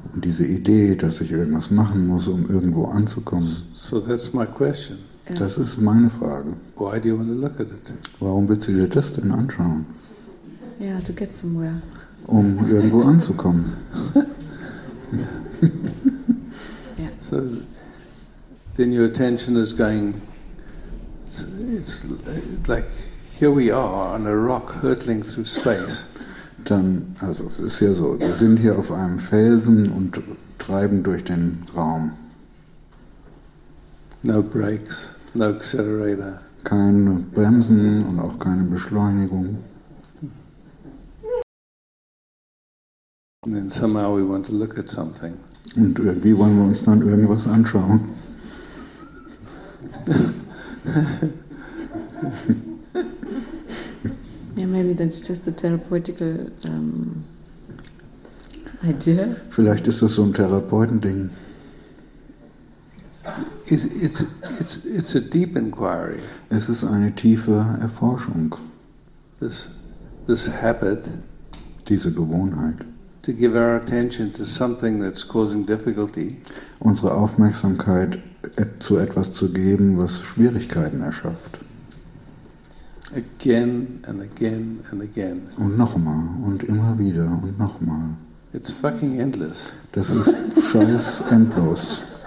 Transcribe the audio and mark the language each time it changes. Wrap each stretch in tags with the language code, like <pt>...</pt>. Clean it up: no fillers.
<de>Und diese Idee, dass ich irgendwas machen muss, um irgendwo anzukommen.</de> <en>So that's my question.</en> <de>Das ist meine Frage.</de> <en>Why do you want to look at it?</en> <de>Warum willst du dir das denn anschauen?</de> <en>Yeah, to get somewhere.</en> <de>Um irgendwo anzukommen.</de> <en>Yeah. So then your attention is going, it's like, here we are on a rock hurtling through space.</en> <de>Dann, also es ist ja so, wir sind hier auf einem Felsen und treiben durch den Raum.</de> <en>No brakes, no accelerator.</en> <de>Keine Bremsen und auch keine Beschleunigung.</de> <en>And then somehow we want to look at something.</en> <de>Und irgendwie wollen wir uns dann irgendwas anschauen.</de> <en>Yeah, maybe that's just the therapeutical idea.</en> <de>Vielleicht ist das so ein Therapeutending.</de> <en>it's a deep inquiry.</en> <de>Es ist eine tiefe Erforschung.</de> <en>This habit.</en> <de>Diese Gewohnheit.</de> <en>To give our attention to something that's causing difficulty.</en> <de>Unsere Aufmerksamkeit zu etwas zu geben, was Schwierigkeiten erschafft.</de> <en>Again and again and again.</en> <de>Und nochmal und immer wieder und nochmal.</de> <en>It's fucking endless.</en> <de>Das ist scheiß endlos.</de>